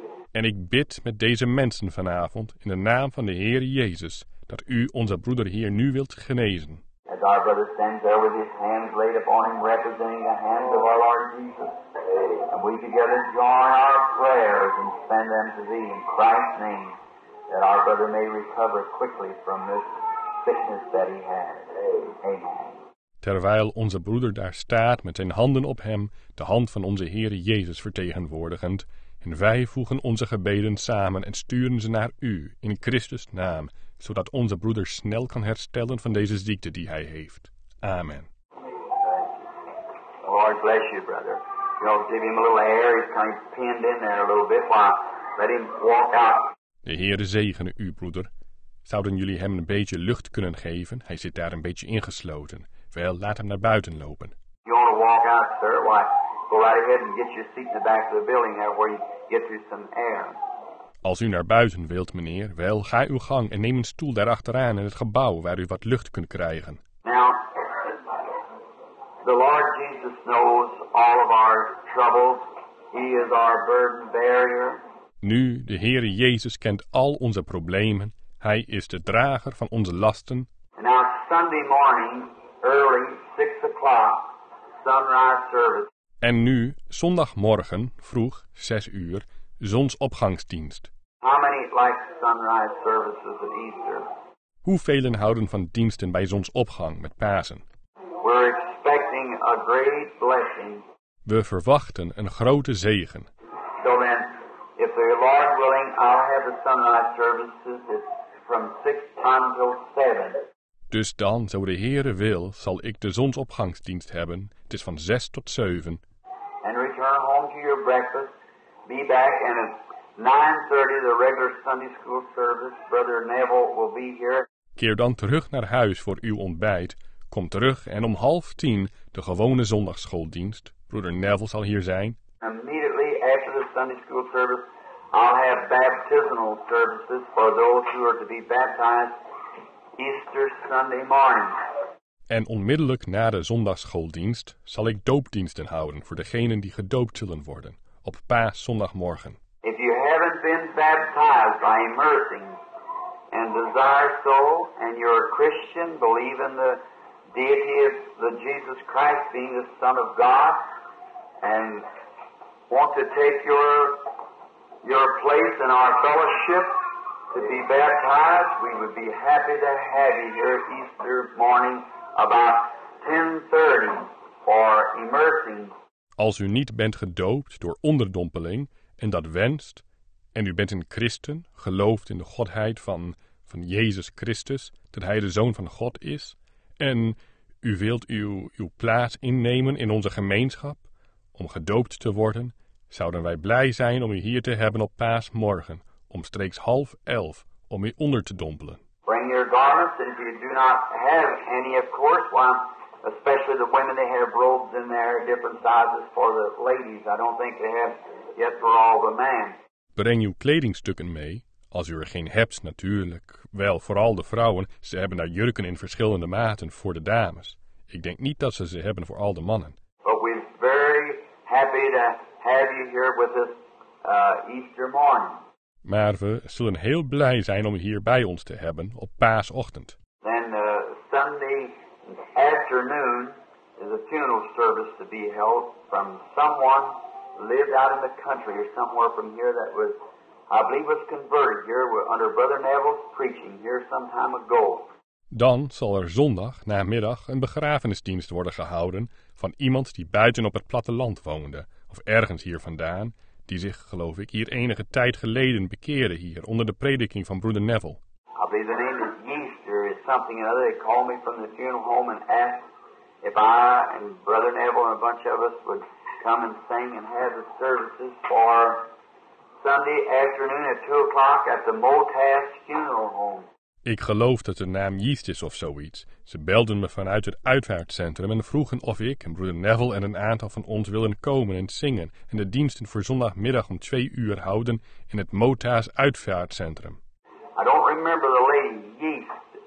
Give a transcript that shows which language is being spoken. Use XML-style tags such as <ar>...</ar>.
<nl>En ik bid met deze mensen vanavond in de naam van de Heer Jezus, dat u onze broeder hier nu wilt genezen.</nl> <en>As our brother stands there with his hands laid upon him, representing the hand of our Lord Jesus. And we together join our prayers and send them to thee in Christ's name, that our brother may recover quickly from this sickness that he has. Amen.</en> <nl>Terwijl onze broeder daar staat met zijn handen op hem, de hand van onze Heer Jezus vertegenwoordigend, en wij voegen onze gebeden samen en sturen ze naar u in Christus' naam, zodat onze broeder snel kan herstellen van deze ziekte die hij heeft. Amen.</nl> <en>Lord bless you, brother. You know, give him a little air. He's kind of pinned in there a little bit while. Let him walk out.</en> <nl>De Heere zegene u, broeder. Zouden jullie hem een beetje lucht kunnen geven? Hij zit daar een beetje ingesloten. Wel, laat hem naar buiten lopen.</nl> <en>You want to walk out, sir? Why, go right ahead and get your seat in the back of the building there where you get you some air.</en> <nl>Als u naar buiten wilt, meneer, wel, ga uw gang en neem een stoel daarachteraan in het gebouw waar u wat lucht kunt krijgen.</nl> <en>Now, the Lord Jesus knows all of our troubles. He is our burden bearer.</en> <nl>Nu, de Heere Jezus kent al onze problemen. Hij is de drager van onze lasten.</nl> <en>Now, Sunday morning, early, 6:00, sunrise service.</en> <nl>En nu, zondagmorgen, vroeg, 6:00, zonsopgangsdienst.</nl> <en>How many like sunrise services at Easter?</en> <nl>Hoe velen houden van diensten bij zonsopgang met Pasen?</nl> <en>We're expecting a great blessing.</en> <nl>We verwachten een grote zegen.</nl> <en>So then, if the Lord willing, I'll have the sunrise services from 6:00 to 7:00.</en> <nl>Dus dan, zo de Heere wil, zal ik de zonsopgangsdienst hebben. Het is van 6:00 to 7:00.</nl> <en>And return home to your breakfast. Be back and at 9:30 the regular Sunday school service, Brother Neville will be here.</en> <nl>Keer dan terug naar huis voor uw ontbijt. Kom terug en om 9:30 de gewone zondagsschooldienst. Brother Neville zal hier zijn.</nl> <en>Immediately after the Sunday school service, I'll have baptismal services for those who are to be baptized Easter Sunday morning.</en> <nl>En onmiddellijk na de zondagsschooldienst zal ik doopdiensten houden voor degenen die gedoopt zullen worden. Op paaszondagmorgen.</nl> <en>If you haven't been baptized by immersing and desire so, and you're a Christian, believe in the deity of the Jesus Christ being the Son of God, and want to take your place in our fellowship to be baptized, we would be happy to have you here Easter morning about 10:30 for immersing.</en> <nl>Als u niet bent gedoopt door onderdompeling en dat wenst, en u bent een christen, gelooft in de godheid van Jezus Christus, dat hij de Zoon van God is, en u wilt uw plaats innemen in onze gemeenschap om gedoopt te worden, zouden wij blij zijn om u hier te hebben op paasmorgen, omstreeks 10:30, om u onder te dompelen.</nl> <en>Bring your garments, and if you do not have any, of course, one. Especially the women, they have robes in there, different sizes for the ladies. I don't think they have yet for all the men.</en> <nl>Breng uw kledingstukken mee, als u er geen hebt natuurlijk. Wel, vooral de vrouwen, ze hebben daar jurken in verschillende maten voor de dames. Ik denk niet dat ze hebben voor al de mannen.</nl> <en>But we're very happy to have you here with us Easter morning.</en> <nl>Maar we zullen heel blij zijn om u hier bij ons te hebben op paasochtend.</nl> <en>Then Sunday afternoon is a funeral service to be held from someone lived out in the country or somewhere from here that was, I believe, was converted here under Brother Neville's preaching here some time ago.</en> <nl>Dan zal er zondag namiddag een begrafenisdienst worden gehouden van iemand die buiten op het platteland woonde, of ergens hier vandaan, die zich, geloof ik, hier enige tijd geleden bekeerde hier onder de prediking van Brother Neville.</nl> <en>I believe the name is Easter, is something or other, they called me from the funeral home and asked if I and Brother Neville and a bunch of us would come and sing and have the services for Sunday afternoon at 2 o'clock at the Motas funeral home.</en> <nl>Ik geloof dat de naam Yeast is of zoiets. Ze belden me vanuit het uitvaartcentrum en vroegen of ik en broeder Neville en een aantal van ons willen komen en zingen en de diensten voor zondagmiddag om 2 uur houden in het Motas uitvaartcentrum.</nl> <en>I don't remember the lady Yeast.</en>